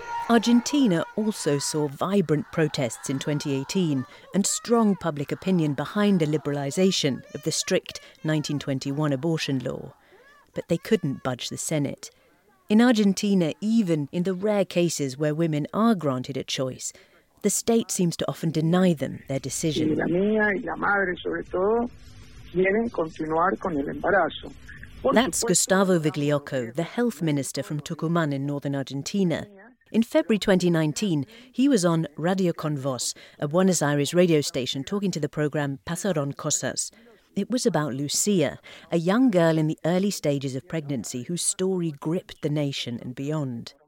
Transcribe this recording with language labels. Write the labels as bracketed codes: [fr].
[en] Argentina also saw vibrant protests in 2018 and strong public opinion behind a liberalisation of the strict 1921 abortion law. But they couldn't budge the Senate. In Argentina, even in the rare cases where women are granted a choice, the state seems to often deny them their decision. [es] La mía y la madre, sobre todo, quieren continuar con el embarazo. [en] That's Gustavo Vigliocco, the health minister from Tucumán in northern Argentina. In February 2019, he was on Radio Con Vos, a Buenos Aires radio station, talking to the programme Pasaron Cosas. It was about Lucia, a young girl in the early stages of pregnancy whose story gripped the nation and beyond.